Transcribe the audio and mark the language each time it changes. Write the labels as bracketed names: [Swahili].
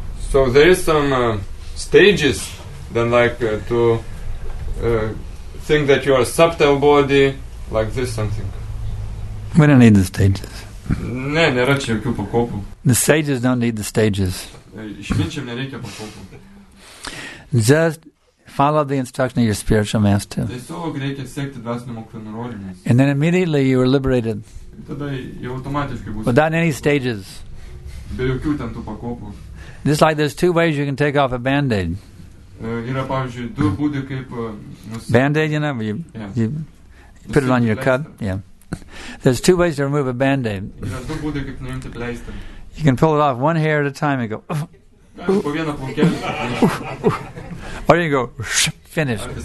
[English] So there is some stages then like to think that you are a subtle body like this something. We don't need the stages. [Lithuanian] Ne, nėra čia jokių pakopų. [English] The sages don't need the stages. [Lithuanian] Išminčiam nereikia pakopų. [English] Just follow the instruction of your spiritual master. [Lithuanian] Tiesiog reikia sekti dvasinio mokytojo nurodymus. [English] And then immediately you are liberated. [Lithuanian] Tada jau automatiškai bus. [English] Without any stages. [Lithuanian] Be jokių ten tų pakopų. [English] Just like there's two ways you can take off a band-aid. [Lithuanian] Yra, pavyzdžiui, du būdi kaip... [English] Band-aid, you know, you put it on your cut. Yeah. There's two ways to remove a band-aid. You can pull it off one hair at a time and go or you can go finished.